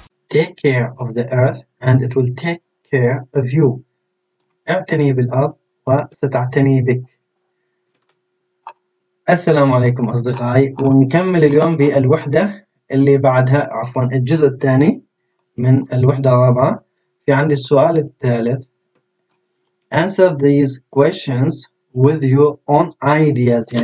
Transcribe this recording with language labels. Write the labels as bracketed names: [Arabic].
[English] take care of the earth and it will take care of you. [Arabic] اعتني بالأرض وستعتني بك. السلام عليكم أصدقائي، ونكمل اليوم بالوحدة اللي بعدها، عفوا الجزء الثاني من الوحدة الرابعة. في عندي السؤال الثالث. [English] Answer these questions with your own ideas.